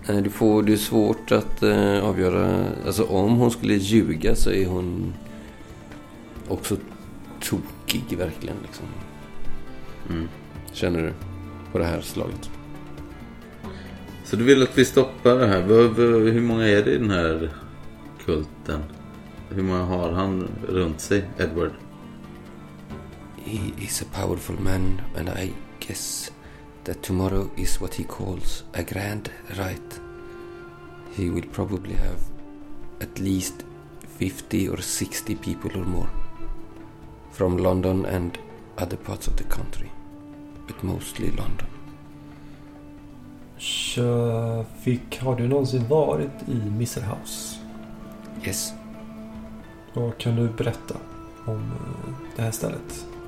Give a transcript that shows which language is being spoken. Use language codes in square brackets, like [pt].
[sv] Nej, det är svårt att avgöra. Alltså om hon skulle ljuga så är hon också tokig verkligen liksom. Mm. Känner du på det här slaget? Så du vill att vi stoppar det här? Hur många är det i den här kulten? Hur många har han runt sig, Edward? [en] He's a powerful man, and I guess that tomorrow is what he calls a grand rite. He will probably have at least 50 or 60 people or more from London and other parts of the country, but mostly London. [sv] Shafik, har du någonsin varit i Mr. House? [en] Yes. [sv] Och kan du berätta om det här stället?